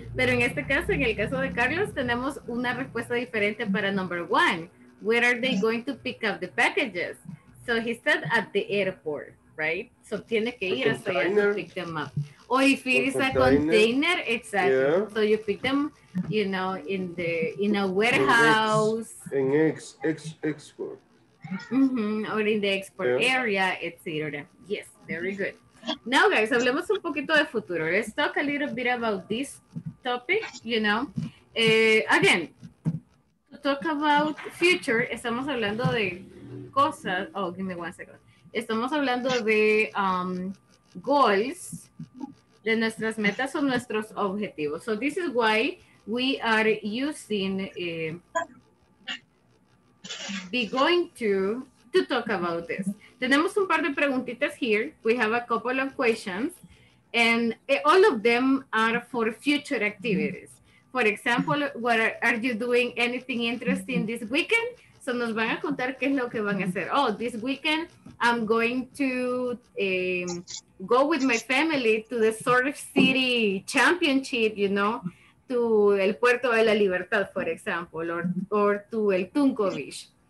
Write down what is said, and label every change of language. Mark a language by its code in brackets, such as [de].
[es] Pero en este caso, en el caso de Carlos, tenemos una respuesta diferente para [en] number one. Where are they going to pick up the packages? So he said at the airport, right? So [es] tiene que ir hasta allá [en] to pick them up. Or if it is a container, exactly. Yeah. So you pick them, you know, in a warehouse. In export. Mm-hmm. Or in the export area, etc. Yes, very good. Now, guys, [es] hablemos un poquito de futuro. [en] Let's talk a little bit about this topic, you know. Again, to talk about future, [es] estamos hablando de cosas. [en] Oh, give me one second. [es] Estamos hablando de goals, de nuestras metas o nuestros objetivos. [en] So this is why we are using be going to talk about this. [es] Tenemos un par de preguntitas [en] here. We have a couple of questions and all of them are for future activities. For example, are you doing anything interesting this weekend? [es] So nos van a contar qué es lo que van a hacer. [en] Oh, this weekend I'm going to go with my family to the Surf City Championship, you know, to El Puerto de la Libertad, for example, or to El Tunco Beach.